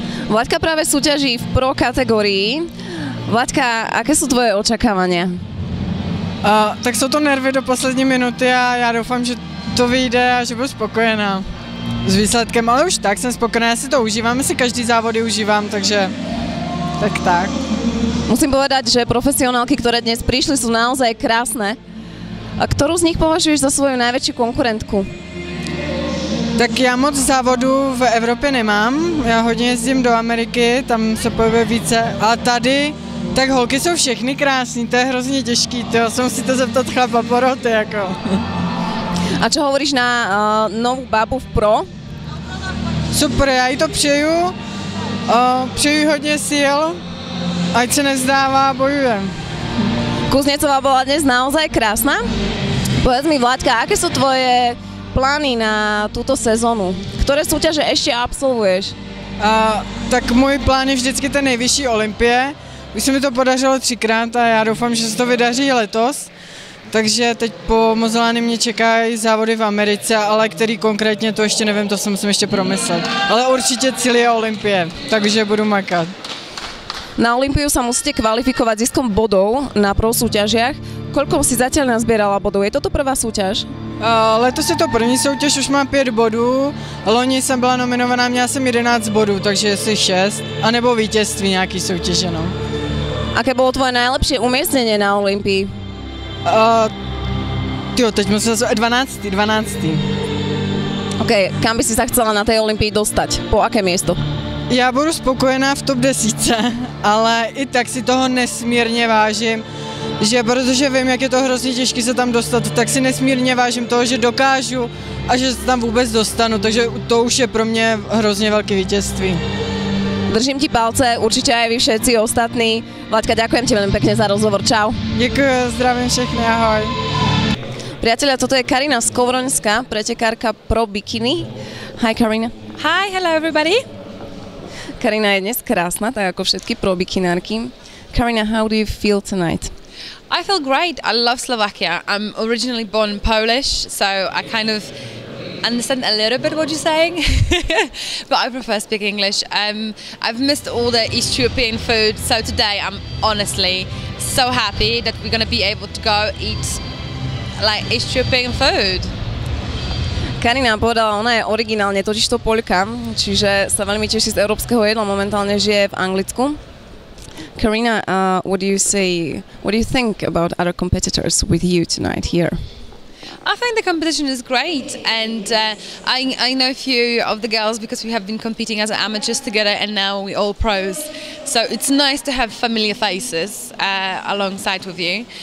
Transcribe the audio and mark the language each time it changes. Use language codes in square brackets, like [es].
[sk] Vlaďka práve súťaží v pro kategórii. Vlaďka, aké sú tvoje očakávania? [cs] Tak sú to nervy do poslední minuty a ja doufám, že to vyjde a že budu spokojená s výsledkem, ale už tak jsem spokojená, si to užívám, si každý závody užívám, takže tak tak. [sk] Musím povedať, že profesionálky, ktoré dnes prišli, sú naozaj krásne. A ktorú z nich považuješ za svoju najväčšiu konkurentku? [cs] Tak ja moc závodu v Evropě nemám, ja hodně jezdím do Ameriky, tam se pojebuje více, a tady, tak holky jsou všechny krásné, to je hrozně těžký, to se musíte zeptat chlapa poroty, jako. [sk] A čo hovoríš na novú babu v pro? [cs] Super, ja jej to přeju. Přeju hodně síl, ať se nevzdává, bojuje. [sk] Kuznecová bola dnes naozaj krásna. Povedz mi, Vlaďka, aké sú tvoje plány na túto sezónu? Ktoré súťaže ešte absolvuješ? [cs] Tak môj plán je vždycky ten nejvyšší Olympie. Už se mi to podařilo třikrát a já doufám, že se to vydaří letos. Takže teď po Mozelány mě čekají závody v Americe, ale který konkrétně, to ještě nevím, to se musím ještě promyslet. Ale určitě cíl je Olympie, takže budu makat. [sk] Na Olympiu sa musíte kvalifikovať ziskom bodov na pro súťažiach. Koľko si zatiaľ nazbierala bodov? Je toto prvá súťaž? [cs] Letos je to první súťaž, už mám 5 bodů. Loni som bola nominovaná, měla som 11 bodů, takže asi 6. A nebo vítězství nejaký súťaže, no. [sk] Aké bolo tvoje najlepšie umiestnenie na Olympii? [cs] Teď musím zase... 12. [sk] OK, kam by si sa chcela na tej Olympii dostať? Po aké miesto? [cs] Já budu spokojená v top 10, ale i tak si toho nesmírně vážím, že protože vím, jak je to hrozně těžké se tam dostat, tak si nesmírně vážím toho, že dokážu a že se tam vůbec dostanu, takže to už je pro mě hrozně velké vítězství. [sk] Držím ti palce, určitě aj vy všetci ostatní. Vlaďka, ďakujem ti veľmi pekne za rozhovor, čau. [cs] Děkuji, zdravím všechny, ahoj. [sk] Priatelia, toto je Karina Skovroňská, pretekárka pro bikini. Hi, Karina. [en] Hi, hello everybody. [sk] Karina je dnes krásna, tak ako všetky pro bikinárky. [en] Karina, how do you feel tonight? I feel great. I love Slovakia. I'm originally born Polish, so I kind of understand a little bit what you're saying, but I prefer speak English. I've missed all the East European food, so today I'm honestly so happy that we're going to be able to go eat like East European food. [sk] Karina povedala, ona je originálne totižto Poľka, čiže sa veľmi teší z európskeho jedla, momentálne žije v Anglicku. [en] Karina, what do you think about other competitors with you tonight here? I think the competition is great and I know a few of the girls because we have been competing as amateurs together and now we're all pros. So it's nice to have familiar faces alongside with you.